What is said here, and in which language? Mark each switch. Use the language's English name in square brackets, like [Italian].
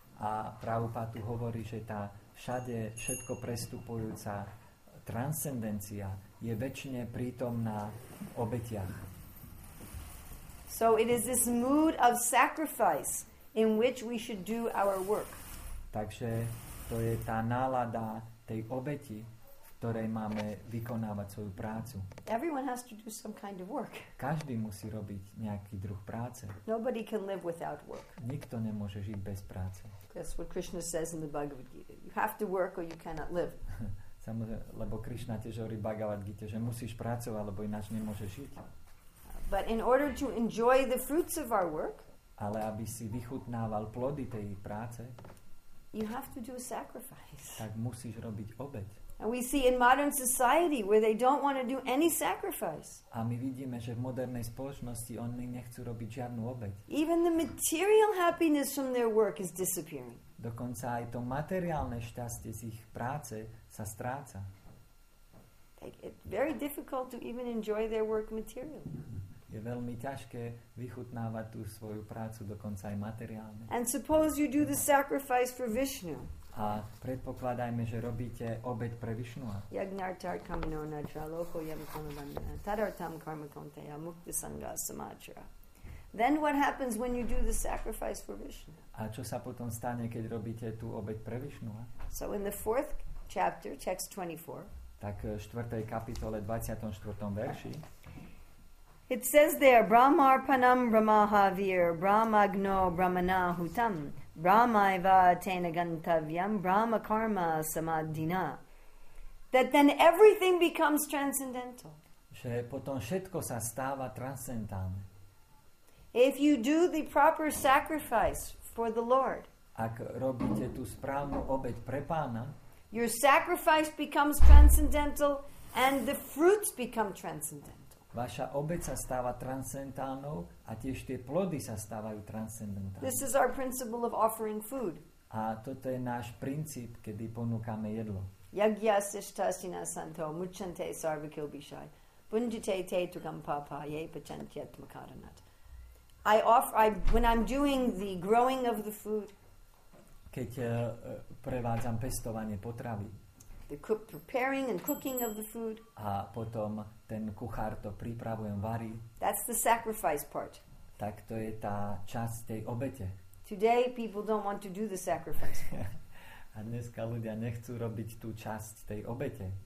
[Slovak] A Prabhupada tu hovorí, že tá všade všetko prestupujúca transcendencia je večne prítomná v obetiach. [English] So it is this mood of sacrifice in which we should do our work. [Slovak] Takže to je tá nálada tej obeti, ktorej máme vykonávať svoju prácu. [English] Everyone has to do some kind of work. [Slovak] Každý musí robiť nejaký druh práce. [English] Nobody can live without work. [Slovak] Nikto nemôže žiť bez práce. [English] That's what Krishna says in the Bhagavad Gita. You have to work or you cannot live. [Slovak] Samozrejme, lebo Krishna tiež hovorí Bhagavad Gita, že musíš pracovať, lebo ináč nemôžeš žiť. [English] But in order to enjoy the fruits of our work, [Slovak] ale aby si vychutnával plody tej práce, [English] you have to do a sacrifice. [Slovak] Tak musíš robiť obeť. [English] And we see in modern society where they don't want to do any sacrifice. [Slovak] A my vidíme, že v modernej spoločnosti oni nechcú robiť žiadnu obeť. [English] Even the material happiness from their work is disappearing. [Slovak] Dokonca aj to materiálne šťastie z ich práce sa stráca. [English] It's very difficult to even enjoy their work materially. [Slovak] Je veľmi ťažké vychutnávať tú svoju prácu dokonca aj materiálne. [English] And suppose you do the sacrifice for Vishnu. [Slovak] A predpokladajme, že robíte obeť pre Višnua. [Sanskrit] Yagnartar kamino na jaloko yamkamabandana tadartam karmakonteya mukti sangha samachara. [English] Then what happens when you do the sacrifice for Vishnu? [Slovak] A čo sa potom stane, keď robíte tú obeť pre Višnua? [English] So in the fourth chapter, text 24. [Slovak] Tak v 4. kapitole 24. verši. [English] It says there, [Sanskrit] Brahmarpanam Brahmahavir Brahmagno Brahmanahutam Brahmaiva tena gantavyam Brahma karma samadina. [English] That then everything becomes transcendental. [Slovak] Že potom všetko sa stáva transcendentálne. [English] If you do the proper sacrifice for the Lord, [Slovak] ak robíte tú správnu obeť pre Pána, [English] your sacrifice becomes transcendental and the fruits become transcendental. [Slovak] Vaša obeť sa stáva transcendentálnou a tiež tie plody sa stávajú transcendentálne. [English] This is our principle of offering food. [Slovak] A toto je náš princíp, kedy ponúkame jedlo. [Sanskrit] Yagya sishtasina santo muchante sarvakilbishai bunjite te tukam papa ye pachantyat makaranat. [English] When I'm doing the growing of the food, [Slovak] keď prevádzam pestovanie potravy, [English] the preparing and cooking of the food, [Slovak] a potom ten kuchár to pripravuje, varí, [English] that's the sacrifice part. [Slovak] Tak to je tá časť tej obete. [English] Today people don't want to do the sacrifice. [Slovak] A dneska ľudia nechcú robiť tú časť tej obete.